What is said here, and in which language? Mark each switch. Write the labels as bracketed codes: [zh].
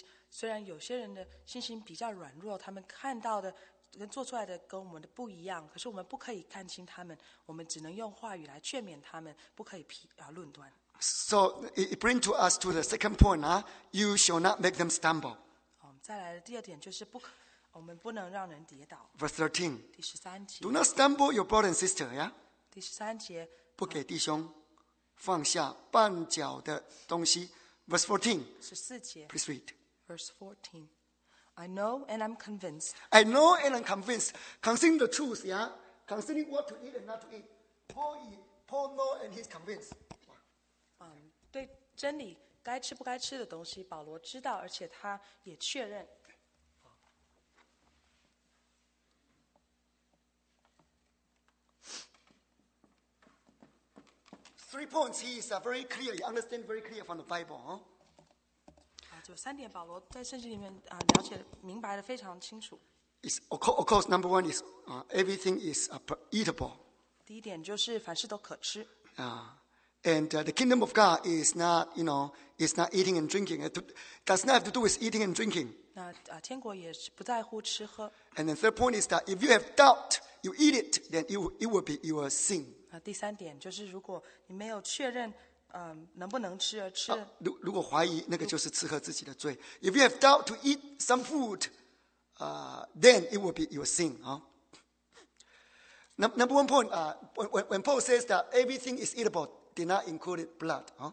[zh] 虽然有些人的信心比较软弱，他们看到的跟做出来的跟我们的不一样，可是我们不可以看轻他们，我们只能用话语来劝勉他们，不可以论断。 [en] So it brings to us to the second point, huh? You shall not make them stumble. [zh] 再来的第二点就是我们不能让人跌倒。 [en] Verse 13. [zh] 第十三节, [en] Do not stumble your brother and sister, yeah? [zh] 第十三节, 不给弟兄放下绊脚的东西。 [en] Verse 14. [zh] 十四节, [en] Please read. Verse 14. I know and I'm convinced. I know and I'm convinced. Concerning the truth, yeah? Concerning what to eat and not to eat. Paul know and he's convinced. [zh] 对真理该吃不该吃的东西，保罗知道，而且他也确认。 [en] Three points. He is very clear. He understands very clear from the Bible. [zh] 就三点，保罗在圣经里面了解明白的非常清楚。 [en] It's of course number one is everything is eatable. [zh] 第一点就是凡事都可吃。 [en] And the kingdom of God is not, you know, is not eating and drinking. It does not have to do with eating and drinking. [zh] 那天国也不在乎吃喝。 [en] And the third point is that if you have doubt, you eat it, then it will be your sin. [zh] 第三点就是如果你没有确认能不能吃而吃。如果怀疑，那个就是吃喝自己的罪。 [en] If you have doubt to eat some food, then it will be your sin. Number one point, when Paul says that everything is eatable, did not include blood.